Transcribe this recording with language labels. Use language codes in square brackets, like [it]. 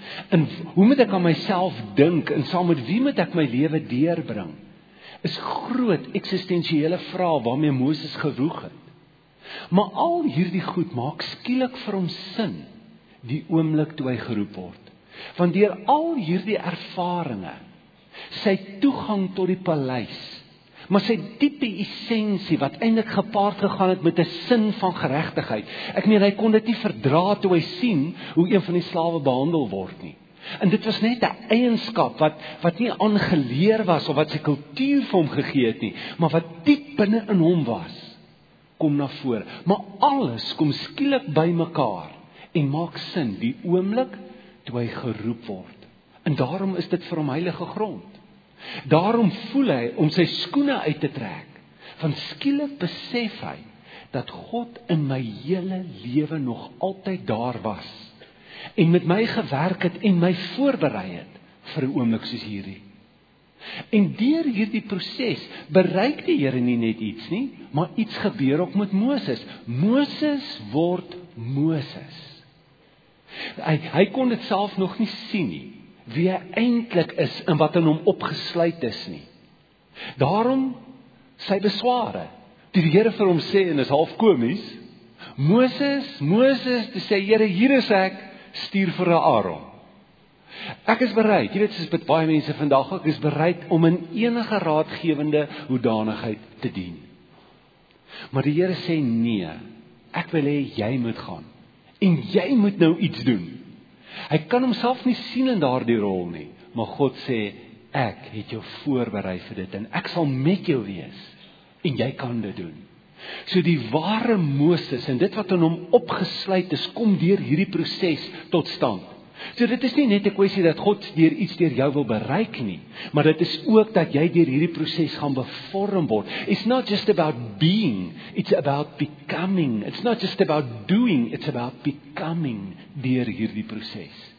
[af] En hoe moet ek aan myself dink en saam met wie moet ek my lewe deurbring? Is groot eksistensiële vrae waarmee Moses gewroeg het. Maar al hierdie goed maak skielik vir hom sin die oomblik toe hy geroep word. Want deur al hierdie ervarings, sy toegang tot die paleis, maar sy diepe essensie wat eintlik gepaard gegaan het met 'n sin van geregtigheid. Ek meen, hy kon dit nie verdra toe hy sien hoe een van die slawe behandel word nie. En dit was net 'n eienskap wat nie aangeleer was of wat sy kultuur vir hom gegee het nie, maar wat diep binne in hom was, kom na vore. Maar alles kom skielik by mekaar en maak sin die oomblik toe hy geroep word. En daarom is dit vir hom heilige grond. Daarom voel hy om sy skoene uit te trek, van skielik besef hy, dat God in my hele lewe nog altyd daar was, en met my gewerk het en my voorberei het, vir 'n oomblik soos hierdie. En deur hierdie proses bereik die Here nie net iets nie, maar iets gebeur ook met Moses. Moses word Moses. Hy kon dit self nog nie sien nie, wie hy eintlik is en wat in hom opgesluit is nie. Daarom sy besware. Die Here vir hom sê, en is half komies, Moses, Moses, te sê, Here, hier is ek, stuur vir 'n Aaron. Ek is bereid, jy weet soos met baie mense vandag, ek is bereid om in enige raadgewende hoedanigheid te dien. Maar die Here sê nee, ek wil hê jy moet gaan. En jy moet nou iets doen. Hy kan homself nie sien in daardie rol nie, maar God sê, ek het jou voorberei vir dit en ek sal met jou wees. En jy kan dit doen. So die ware Moses en dit wat in hom opgesluit is, kom deur hierdie proses tot stand. So dit is nie net 'n kwessie dat God deur iets deur jou wil bereik nie, maar dit is ook dat jy deur hierdie proses gaan bevorm word. [en] It's not just about being, it's about becoming. It's not just about doing, it's about becoming [af] deur hierdie proses.